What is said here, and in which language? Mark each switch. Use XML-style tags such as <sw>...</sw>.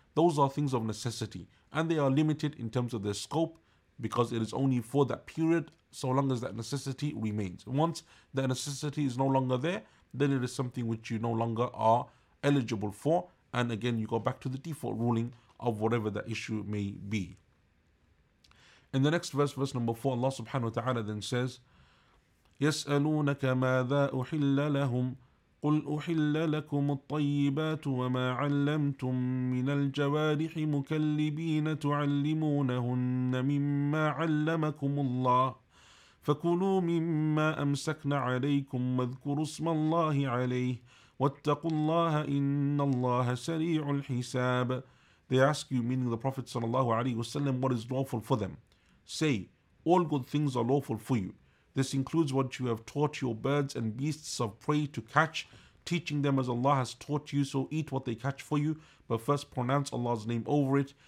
<en>Those are things of necessity, and they are limited in terms of their scope, because it is only for that period, so long as that necessity remains. Once that necessity is no longer there, then it is something which you no longer are eligible for, and again you go back to the default ruling of whatever that issue may be. In the next verse, verse number 4, Allah subhanahu wa ta'ala then says,</en> <ar>يَسْأَلُونَكَ مَاذَا أُحِلَّ لَهُمْ قُلْ أُحِلَّ لَكُمُ الطَّيِّبَاتُ وَمَا عَلَّمْتُمْ مِنَ الْجَوَارِحِ مُكَلِّبِينَ تُعَلِّمُونَهُنَّ مِمَّا عَلَّمَكُمُ اللَّهُ فَكُلُوا مِمَّا أَمْسَكْنَ عَلَيْكُمْ وَاذْكُرُوا اسْمَ اللَّهِ عَلَيْهِ وَاتَّقُوا اللَّهَ إِنَّ اللَّهَ سَرِيعُ الْحِسَابِ.</ar> <en>They ask you, meaning the Prophet sallallahu alaihi wasallam, what is lawful for them? Say, all good things are lawful for you. This includes what you have taught your birds and beasts of prey to catch, teaching them as Allah has taught you, so eat what they catch for you, but first pronounce Allah's name over it.</en>